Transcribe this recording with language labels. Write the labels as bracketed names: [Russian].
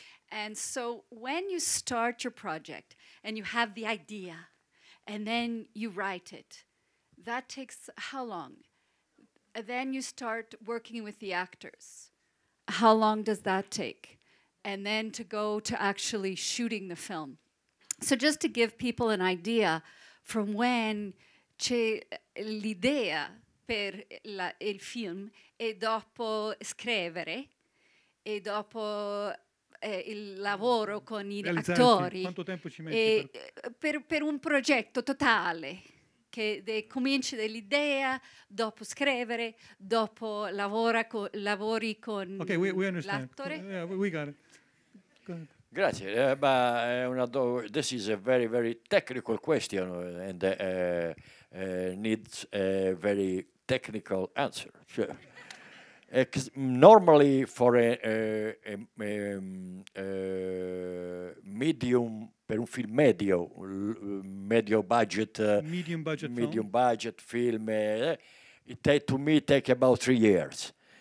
[English] And so when you start your project and you have the idea and then you write it, that takes how long? And then you start working with the actors. How long does that take? And then to go to actually shooting the film. So just to give people an idea from when [Italian] c'è l'idea per la, il film e dopo scrivere e dopo il lavoro con gli attori. Quanto tempo ci metti? Per un progetto totale che comincia dall'idea, dopo scrivere, dopo lavori con [English] l'attore. Ok, we understand. L'attore. We got it. Go ahead. [Italian] Grazie, ma [English] this is a very, very technical question and needs a very technical answer. Sure. Normally, for medium, [Italian] per un film medio, [English] medium budget film, it takes about 3 years.